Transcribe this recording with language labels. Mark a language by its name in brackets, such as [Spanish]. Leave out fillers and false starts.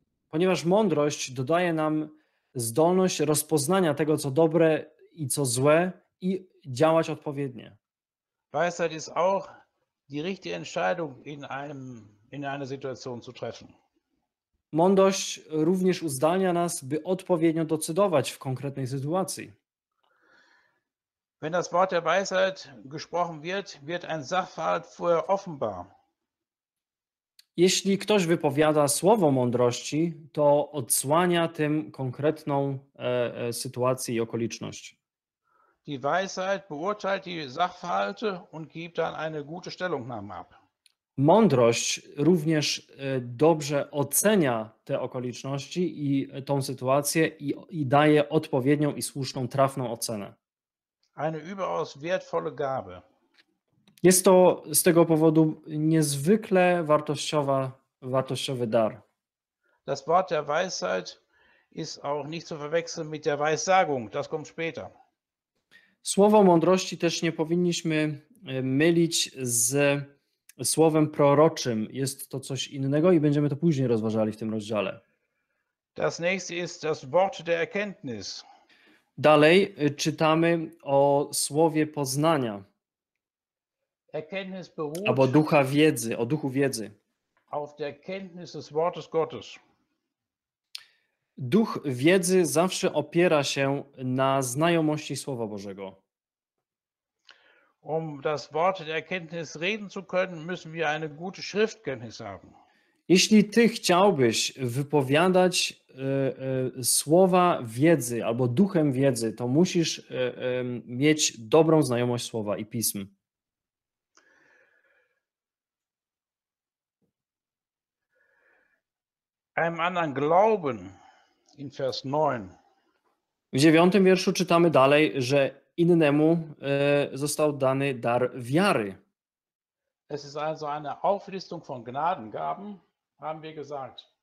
[Polish] Ponieważ mądrość dodaje nam zdolność rozpoznania tego, co dobre i co złe, i działać odpowiednie. [German] Weisheit ist auch die richtige Entscheidung in einer Situation zu treffen. [Polish] Mądrość również uzdalnia nas, by odpowiednio decydować w konkretnej sytuacji. [German] Wenn das Wort der Weisheit gesprochen wird, wird ein Sachverhalt vorher offenbar. [Polish] Jeśli ktoś wypowiada słowo mądrości, to odsłania tym konkretną sytuację i okoliczność. [German] Die Weisheit beurteilt die Sachverhalte und gibt dann eine gute Stellungnahme ab. [Polish] Mądrość również dobrze ocenia te okoliczności i tą sytuację i daje odpowiednią i słuszną, trafną ocenę. [German] Eine überaus wertvolle Gabe. [Polish] Jest to z tego powodu niezwykle wartościowy dar. [German] Das Wort der Weisheit ist auch nicht zu verwechseln mit der Weissagung, das kommt später. [Polish] Słowo mądrości też nie powinniśmy mylić z słowem proroczym. Jest to coś innego i będziemy to później rozważali w tym rozdziale. [German] Das nächste ist das Wort der Erkenntnis. [Polish] Dalej czytamy o słowie poznania. [German] Erkenntnis beruht [Polish] albo ducha wiedzy, o duchu wiedzy. [German] Auf der Erkenntnis des Wortes Gottes. [Polish] Duch wiedzy zawsze opiera się na znajomości Słowa Bożego. [German] Um das Wort der Erkenntnis reden zu können, müssen wir eine gute Schriftkenntnis haben. [Polish] Jeśli ty chciałbyś wypowiadać słowa wiedzy albo duchem wiedzy, to musisz mieć dobrą znajomość słowa i pism. [German] Einem anderen Glauben in Vers 9. [Polish] W dziewiątym wierszu czytamy dalej, że innemu został dany dar wiary. [German] Es ist also eine Auflistung von Gnadengaben, haben wir gesagt.